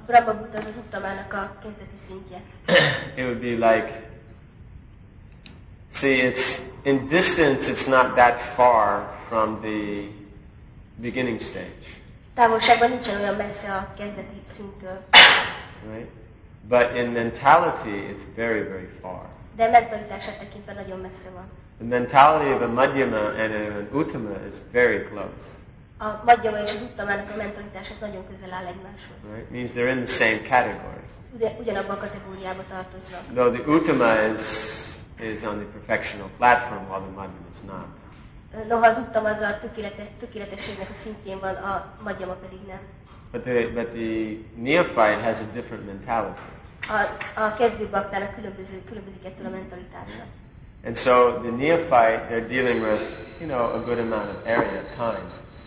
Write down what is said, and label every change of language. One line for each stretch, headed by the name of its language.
Hungarian: Brahmabuddha is Uttamának a kezdeti szintje.
English: It would be like, see, it's in distance, it's not that far from the beginning stage.
Hungarian: Távolságban nincsen olyan messze a kezdeti szintől.
English: Right? But in mentality, it's very, very far.
Hungarian: De mentalitása tekintve nagyon messze van.
English: The mentality of a Madhyama and an Uttama is very close.
Hungarian: A Madhyama és az Uttamának a mentalitása nagyon közel áll egymáshoz.
English: Right? Means they're in the same category.
Hungarian: Ugyanabban a kategóriában tartoznak.
English: Though the Uttama is on the perfectional platform, while the Madhyama is not.
Hungarian: Noha az Uttama az a tökéletességnek a szintjén van, a Madhyama pedig nem.
English: But the neophyte has a different mentality.
Hungarian: A kezdő baktának különbözik ettől a mentalitása.
English: And so the neophyte, they're dealing with, you know, a good amount of area, time.